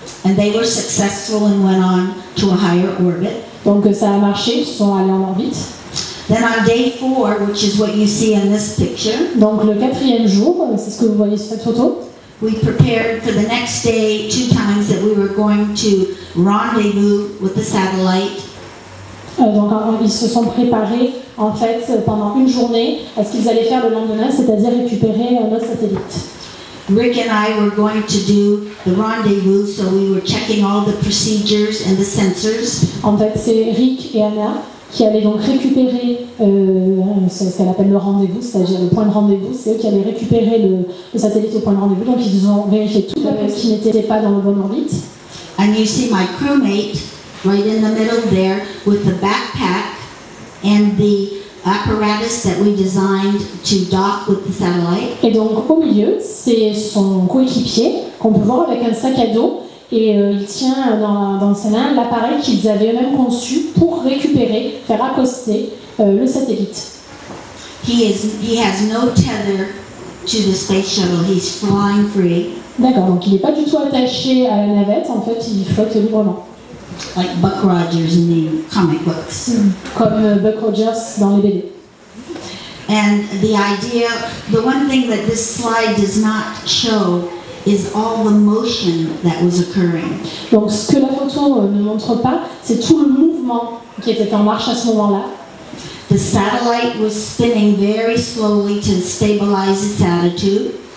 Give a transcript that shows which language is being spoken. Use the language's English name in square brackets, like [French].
[English] And they were successful and went on to a higher orbit. [French] Donc ça a marché, ils sont allés en orbite. [English] Then on day 4, which is what you see in this picture. [French] Donc le quatrième jour, c'est ce que vous voyez sur cette photo. [English] We prepared for the next day two times that we were going to rendezvous with the satellite. [French] Donc ils se sont préparés en fait pendant une journée à ce qu'ils allaient faire le lendemain, c'est-à-dire récupérer notre satellite. [English] Rick and I were going to do the rendezvous, so we were checking all the procedures and the sensors. [French] En fait, c'est Rick et Anna qui allaient donc récupérer ce qu'elle appelle le rendez-vous, c'est-à-dire le point de rendez-vous. C'est eux qui allaient récupérer le satellite au point de rendez-vous. Donc ils ont vérifié tout le reste qui n'était pas dans le bon orbite. [English] And you see my crewmate right in the middle there with the backpack and the apparatus that we designed to dock with the satellite. [French] Et donc au milieu, c'est son coéquipier qu'on peut voir avec un sac à dos et il tient dans ses mains l'appareil qu'ils avaient eux-mêmes conçu pour récupérer, faire accoster le satellite. [English] He has no tether to the space shuttle. He's flying free. [French] D'accord, donc il n'est pas du tout attaché à la navette, en fait, il flotte librement. [English] Like Buck Rogers in the comic books. [French] Comme Buck Rogers dans les BD. [English] And the idea, the one thing that this slide does not show is all the motion that was occurring. [French] Donc ce que la photo ne montre pas, c'est tout le mouvement qui était en marche à ce moment-là. [English] The satellite was spinning very slowly to stabilize its attitude.